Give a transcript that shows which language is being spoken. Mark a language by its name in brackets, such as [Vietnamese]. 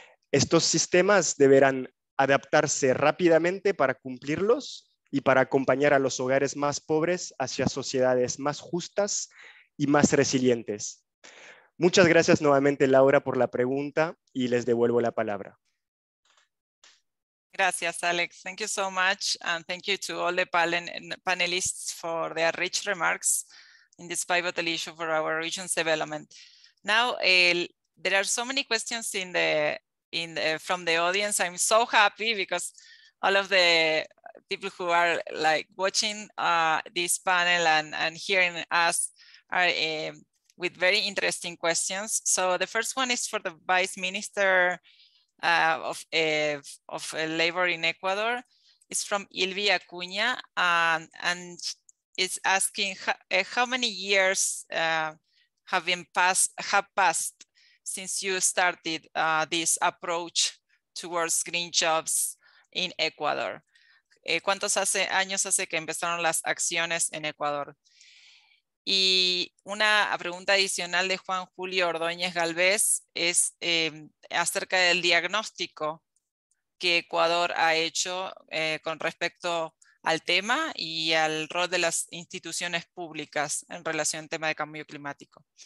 [Spanish] Estos sistemas deberán adaptarse rápidamente para cumplirlos y para acompañar a los hogares más pobres hacia sociedades más justas y más resilientes. Muchas gracias nuevamente, Laura, por la pregunta y les devuelvo la palabra. Gracias, Alex. [English] Thank you so much. And thank you to all the panelists for their rich remarks in this pivotal issue for our region's development. Now, there are so many questions from the audience. I'm so happy because all of the people who are like watching this panel and hearing us are with very interesting questions. So the first one is for the Vice Minister of labor in Ecuador. It's from Ilvi Acuña, and it's asking how many years have passed since you started this approach towards green jobs in Ecuador. [Spanish] ¿Cuántos años hace que empezaron las acciones en Ecuador? Y una pregunta adicional de Juan Julio Ordóñez Galvez es acerca del diagnóstico que Ecuador ha hecho con respecto al tema y al rol de las instituciones públicas en relación al tema de cambio climático.